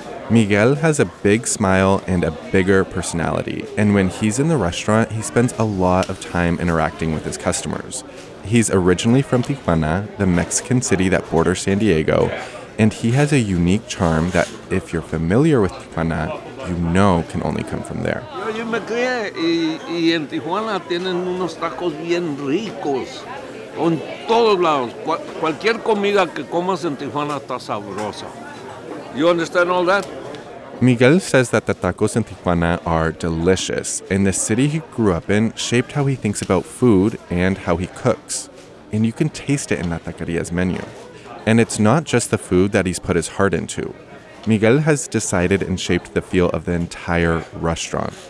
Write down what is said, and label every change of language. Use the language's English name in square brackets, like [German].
[English] Miguel has a big smile and a bigger personality. And when he's in the restaurant, he spends a lot of time interacting with his customers. He's originally from Tijuana, the Mexican city that borders San Diego. And he has a unique charm that, if you're familiar with Tijuana, you know can only come from there. [Spanish] Yo me crié y en Tijuana tienen unos tacos bien ricos. En todos lados. Cualquier comida que comas en Tijuana está sabrosa. [English] You understand all that? Miguel says that the tacos in Tijuana are delicious, and the city he grew up in shaped how he thinks about food and how he cooks. And you can taste it in La Taqueria's menu. And it's not just the food that he's put his heart into. Miguel has decided and shaped the feel of the entire restaurant.